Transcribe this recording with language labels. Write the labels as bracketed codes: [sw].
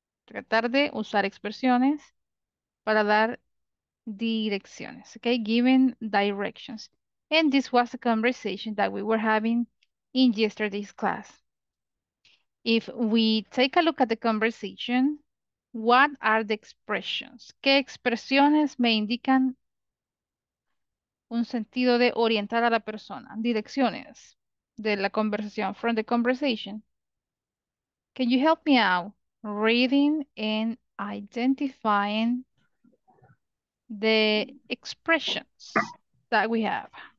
[es] Tratar de usar expresiones para dar direcciones, okay? [en] Giving directions. And this was a conversation that we were having in yesterday's class. If we take a look at the conversation, what are the expressions? [es] ¿Qué expresiones me indican un sentido de orientar a la persona? Direcciones de la conversación, [en] from the conversation. Can you help me out reading and identifying the expressions that we have?